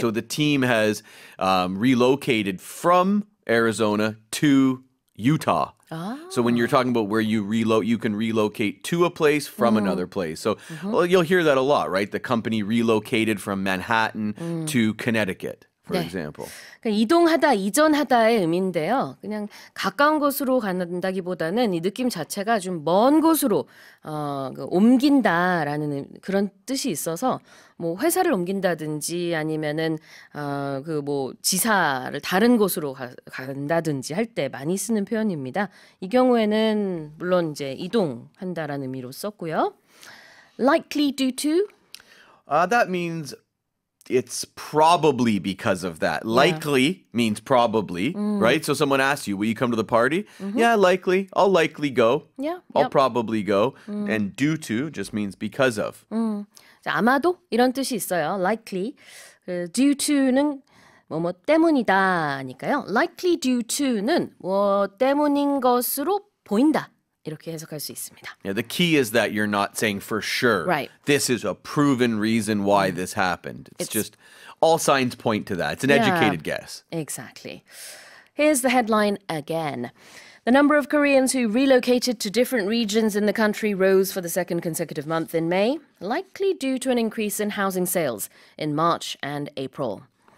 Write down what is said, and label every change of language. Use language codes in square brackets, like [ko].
[en] So the team has relocated from Arizona to Utah. So when you're talking about where you relocate, you can relocate to a place from another place. So well, you'll hear that a lot, right? The company relocated from Manhattan to Connecticut, for example. [ko] 이동하다, 이전하다의 의미인데요. 그냥 가까운 곳으로 간다기보다는 이 느낌 자체가 좀 먼 곳으로 옮긴다라는 그런 뜻이 있어서 뭐 회사를 옮긴다든지 아니면은 그 뭐 지사를 다른 곳으로 간다든지 할 때 많이 쓰는 표현입니다. 이 경우에는 물론 이제 이동한다라는 의미로 썼고요. [en] Likely due to? That means it's probably because of that. Likely means probably, right? So someone asks you, will you come to the party? Mm-hmm. Yeah, likely. I'll likely go. Yeah. I'll probably go. Mm. And due to just means because of. [ko] 아마도 이런 뜻이 있어요. [en] Likely. [ko] Due to는 뭐뭐 때문이다니까요. Likely due to는 뭐 때문인 것으로 보인다. 이렇게 해석할 수 있습니다. [en] Yeah, the key is that you're not saying for sure. Right. This is a proven reason why this happened. It's just all signs point to that. It's an educated guess. Exactly. Here's the headline again. The number of Koreans who relocated to different regions in the country rose for the second consecutive month in May, likely due to an increase in housing sales in March and April.